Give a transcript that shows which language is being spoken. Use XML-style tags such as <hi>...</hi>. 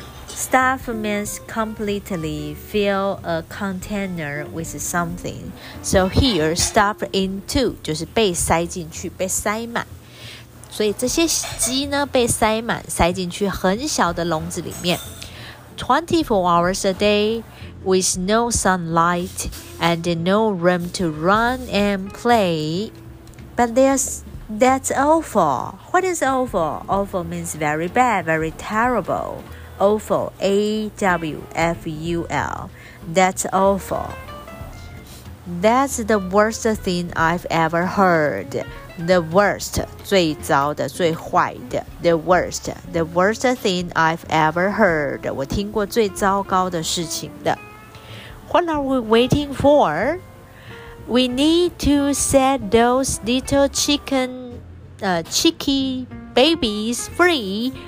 <en>Stuff means completely fill a container with something. So here, stuff into</en> <zh>就是被塞进去，被塞满。所以这些鸡呢，被塞满，塞进去很小的笼子里面。</zh> <en>24 hours a day with no sunlight and no room to run and play. But that's awful. What is awful? Awful means very bad, very terrible. Awful, A-W-F-U-L. That's awful. That's the worst thing I've ever heard. The worst,</en> <zh>最糟的，最坏的。</zh> <en>The worst thing I've ever heard.</en> <zh>我听过最糟糕的事情的。</zh> <en>What are we waiting for? We need to set those little chicken, cheeky babies free.</en>